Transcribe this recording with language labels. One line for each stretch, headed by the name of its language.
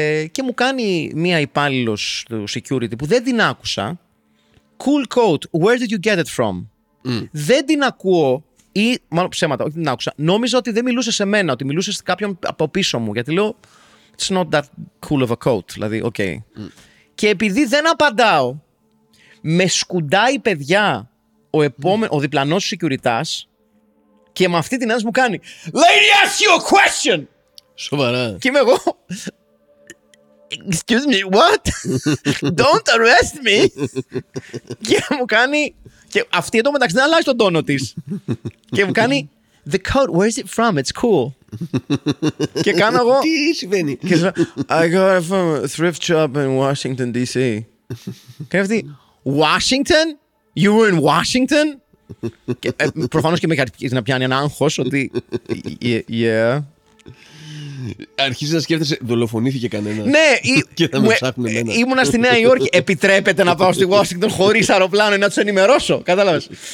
Greek: Και μου κάνει μία υπάλληλος του security που δεν την άκουσα.
English: Cool coat, where did you get it from?
Greek: Δεν την ακούω. Ή μάλλον ψέματα, όχι την άκουσα. Νόμιζα ότι δεν μιλούσε σε μένα, ότι μιλούσε σε κάποιον από πίσω μου. Γιατί λέω,
English: it's not that cool of a coat.
Greek: Δηλαδή, okay. Και επειδή δεν απαντάω, με σκουντάει παιδιά ο διπλανός σεκιουριτάς και με αυτή την ένταση μου κάνει
English: Lady, ask you a question!
Greek: Σοβαρά. Και είμαι εγώ.
English: Excuse me, what? Don't arrest me!
Greek: Και μου κάνει. Και αυτή εδώ μεταξύ δεν αλλάζει τον τόνο της. Και μου κάνει
English: the coat, where is it from? It's cool.
Greek: Και κάνω εγώ. Τι συμβαίνει?
English: I got it from a thrift shop in Washington, D.C.
Greek: Και αυτή,
English: Washington? You were in Washington?
Greek: Και προφανώς και με έχει να πιάνει ένα άγχος ότι.
English: Yeah.
Greek: Αρχίζει να σκέφτεσαι, δολοφονήθηκε κανένα. Ναι, και θα με ψάχνουν εμένα. Ήμουνα στη Νέα Υόρκη. Επιτρέπεται να πάω στη Washington χωρίς αεροπλάνο να του ενημερώσω. Κατάλαβες.